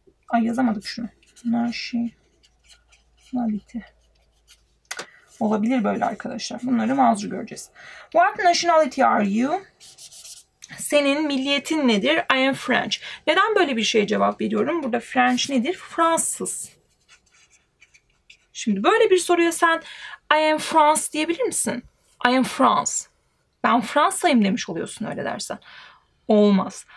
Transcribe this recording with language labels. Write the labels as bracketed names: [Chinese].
[Turkish] Ay, yazamadık şunu. Nashi. Nalite. Olabilir böyle arkadaşlar. Bunları mazur göreceğiz. [English] What nationality are you? [Turkish] Senin milliyetin nedir? [English] I am French. [Turkish] Neden böyle bir şeye cevap veriyorum? Burada French nedir? Fransız. Şimdi böyle bir soruya sen [English] I am France [Turkish] diyebilir misin? I am France. Ben Fransa'yım demiş oluyorsun öyle dersen. Olmaz.